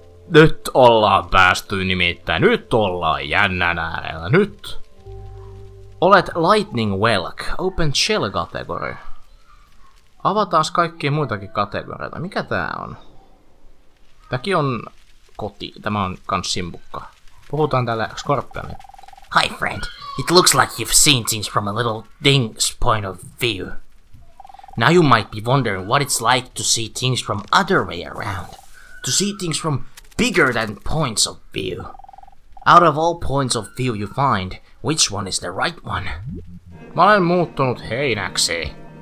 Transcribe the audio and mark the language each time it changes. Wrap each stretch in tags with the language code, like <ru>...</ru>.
<fi>Nyt ollaan päästy nimittäin. Nyt ollaan jännän äärellä. Nyt. Olet Lightning Whelk. Open Shell kategori. Avataas kaikkia muitakin kategorioita. Mikä tää on? Tääkin on koti. Tämä on kans simpukka. Puhutaan tällä Scorpionilla.</fi> <en>Hi friend, it looks like you've seen things from a little thing's point of view. Now you might be wondering what it's like to see things from other way around. To see things from bigger than points of view. Out of all points of view you find, which one is the right one?</en> <fi>Mä olen muuttunut heinäksi.</fi>